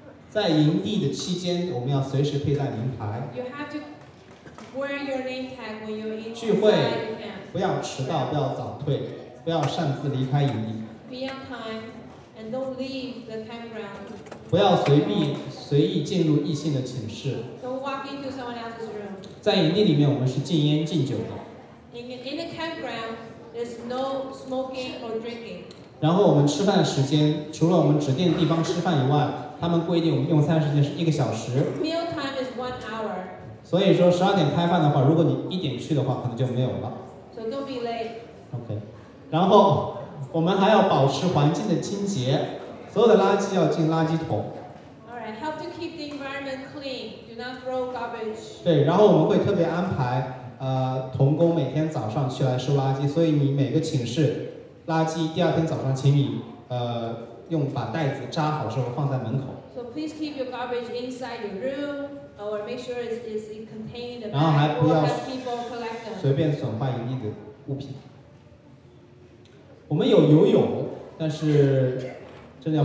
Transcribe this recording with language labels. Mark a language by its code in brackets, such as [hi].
[zh] 在营地的期间，我们要随时佩戴名牌。 [en] You have to wear your name tag when you're in. [zh] 聚会不要迟到，不要早退，不要擅自离开营地。 [en] Be on time and don't leave the campground. [zh] 不要随意进入异性的寝室。 [en] Don't walk into someone else's room. [zh] 在营地里面，我们是禁烟禁酒的。 [en] In the campground, there's no smoking or drinking. [zh] 然后我们吃饭的时间，除了我们指定的地方吃饭以外。他们规定我们用餐时间是一个小时。 [en] Meal time is one hour. [zh] 所以说12点开饭的话，如果你1点去的话，可能就没有了。 [en] So don't be late. Okay. [zh] 然后我们还要保持环境的清洁，所有的垃圾要进垃圾桶。 [en] All right. Help to keep the environment clean. Do not throw garbage. [zh] 对，然后我们会特别安排，童工每天早上去来收垃圾，所以你每个寝室垃圾第二天早上请你，用把袋子扎好之后放在门口。 [en] So please keep your garbage inside your room, or make sure it's contained. [zh] 然后还不要 [en] let people collect them. [zh] 随便损坏营地的物品。我们有游泳，但是真的要